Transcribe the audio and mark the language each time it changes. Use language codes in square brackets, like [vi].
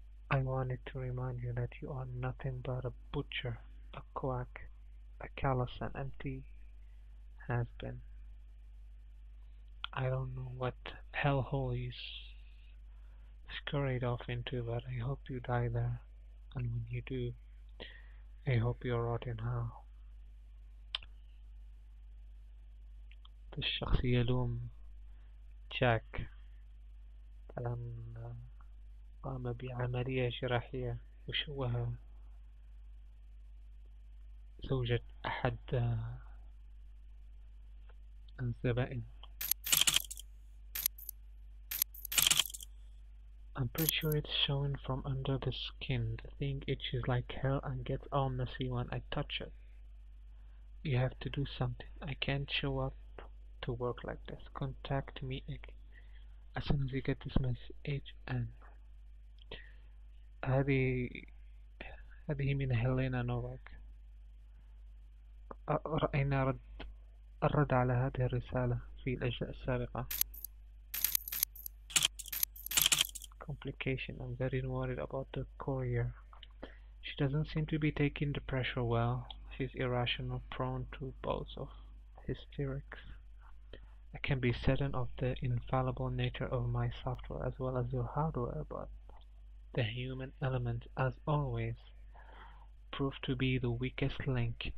[en] I want it to remind you that you are nothing but a butcher, a quack, a callous and empty has-been. I don't know what hellhole you scurried off into, but I hope you die there. And when you do, I hope you're rot in hell. [ar] الشخص يلوم جاك لأن قام بعملية جراحية وشوه زوجة أحد الزبائن. [en] I'm pretty sure it's showing from under the skin. The thing itches like hell and gets all messy when I touch it. You have to do something. I can't show up to work like this. Contact me as soon as you get this message. [ar] HN. هذه من هيلينا نوفاك. رأينا الرد على هذه الرسالة في الأجزاء السابقة. [en] Complication. I'm very worried about the courier. She doesn't seem to be taking the pressure well. She's irrational, prone to bouts of hysterics. I can be certain of the infallible nature of my software as well as your hardware, but the human element, as always, proved to be the weakest link.